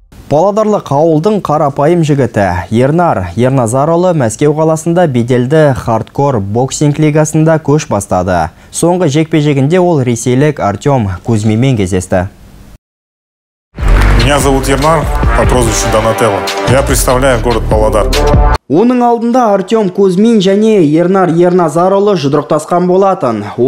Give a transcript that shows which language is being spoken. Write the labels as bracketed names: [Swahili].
[Kazakh] Павлодарлық ауылдың қарапайым жігіті Ернар Ерназарұлы Мәскеу қаласында беделді хардкор боксинг лигасында көш бастады. Соңғы жекпе-жегінде ол ресейлік Артем Кузьмимен кездесті. [Russian] Меня зовут Ернар, по прозвищу Донателло. Я представляю город Павлодар. [Kazakh] Оның алдында Артем Кузьмин және Ернар Ерназарұлы жұдырықтасқан болатын.